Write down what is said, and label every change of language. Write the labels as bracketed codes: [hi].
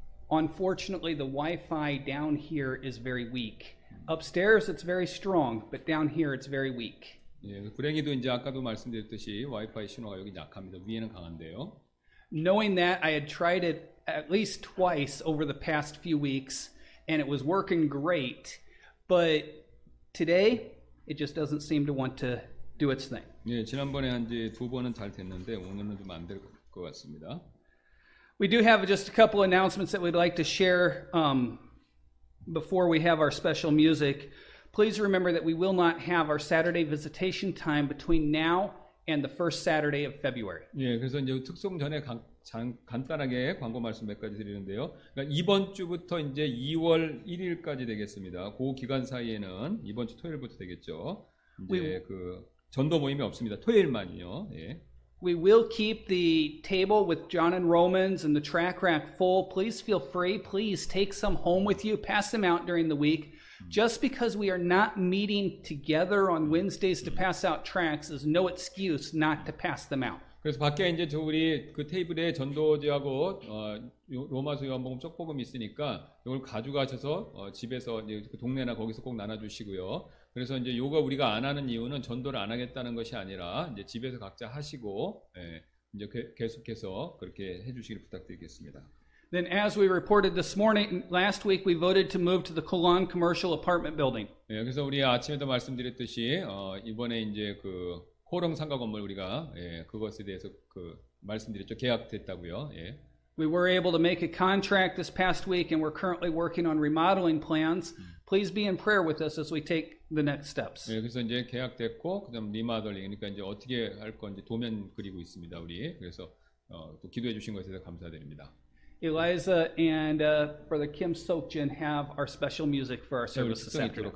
[en] 'Unfortunately, the Wi-Fi down here is very weak. Upstairs, it's very strong, but down here, it's very weak. [ko] 예, 불행히도 이제 아까도 말씀드렸듯이 와이파이 신호가 여기 약합니다. 위에는 강한데요. [en] Knowing that, I had tried it at least twice over the past few weeks, and it was working great, but today, it just doesn't seem to want to do its thing. [ko] 예, 지난번에 한 이제 두 번은 잘 됐는데 오늘은 좀 안 될 것 같습니다. [en] We do have just a couple announcements that we'd like to share before we have our special music. Please remember that we will not have our Saturday visitation time between now and the first Saturday of February. [ko] 예, 그래서 이제 특송 전에 간단하게 광고 말씀 몇 가지 드리는데요. 그러니까 이번 주부터 이제 2월 1일까지 되겠습니다. 그 기간 사이에는 이번 주 토요일부터 되겠죠. 이제 그 전도 모임이 없습니다. 토요일만이요. 예. [en] We will keep the table with John and Romans and the track rack full. Please feel free. Please take some home with you. Pass them out during the week. Just because we are not meeting together on Wednesdays to pass out tracks is no excuse not to pass them out. [ko] 그래서 밖에 이제 저 우리 그 테이블에 전도지하고 로마서 요한복음 쪽복음 있으니까 이걸 가져가셔서 집에서 이제 그 동네나 거기서 꼭 나눠주시고요. 그래서 이제 요거 우리가 안 하는 이유는 전도를 안 하겠다는 것이 아니라 이제 집에서 각자 하시고 이제 계속해서 그렇게 해주시길 부탁드리겠습니다. [en] Then as we reported this morning, last week we voted to move to the Colon Commercial Apartment Building. [ko] 예, 그래서 우리 아침에도 말씀드렸듯이 이번에 이제 그 코롱 상가 건물 우리가 그것에 대해서 그 말씀드렸죠. 계약됐다고요. 예. [en] We were able to make a contract this past week and we're currently working on remodeling plans. Please be in prayer with us as we take the next steps. [ko] 예, 그래서 이제 계약됐고 그다음 리마델링 그러니까 이제 어떻게 할 건지 도면 그리고 있습니다. 우리. 그래서 또 기도해 주신 것에 대해서 감사드립니다. [en] Eliza and Brother Kim Sokjin have our special music for our service this afternoon.